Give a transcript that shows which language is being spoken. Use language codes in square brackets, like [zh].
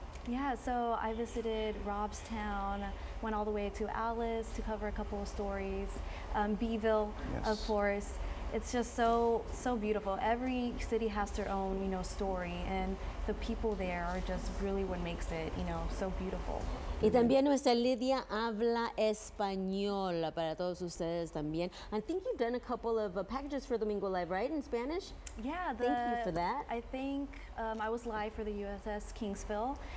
[en] Yeah, so I visited Robstown, went all the way to Alice to cover a couple of stories, Beeville, yes, of course. It's just so beautiful. Every city has their own, you know, story, and the people there are just really what makes it, you know, so beautiful. [es] Y también nuestra Lidia habla español para todos ustedes también. [en] I think you've done a couple of packages for Domingo Live, right, in Spanish? Yeah. Thank you for that. I think I was live for the USS Kingsville.